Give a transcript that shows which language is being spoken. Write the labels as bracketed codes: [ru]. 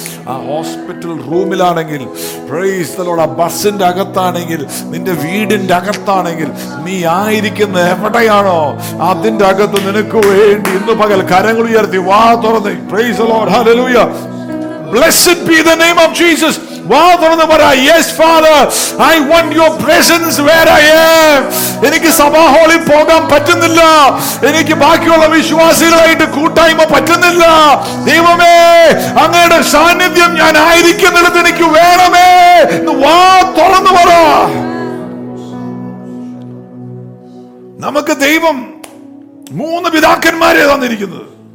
[ml] ആ hospital റൂമിലാണെങ്കിൽ, praise the Lord, ആ ബസ്സിൻ്റെ അകത്താണെങ്കിൽ, നിന്റെ വീടിൻ്റെ അകത്താണെങ്കിൽ, നീ ആയിരിക്കുന്ന എവിടെയാണോ അതിൻ്റെ അകത്ത് നിനക്ക് വേണ്ടി ഇന്ന് പകൽ കരങ്ങൾ ഉയർത്തി വാ തുറന്ന്. [en] Praise the Lord, hallelujah. Blessed be the name of Jesus. Yes, Father, I want your presence where I am. [ml] എനിക്ക് സഭാ ഹാളിൽ പോകാൻ പറ്റുന്നില്ല. എനിക്ക് ബാക്കിയുള്ള വിശ്വാസികളായിട്ട് കൂട്ടായ്മ പറ്റുന്നില്ല. ദൈവമേ, അങ്ങയുടെ സാന്നിധ്യം ഞാൻ ആയിരിക്കുന്നിടത്ത് എനിക്ക് വേണമേ. വാ തുറന്നു പറ. നമുക്ക് ദൈവം മൂന്ന് പിതാക്കന്മാരെ തന്നിരിക്കുന്നത്.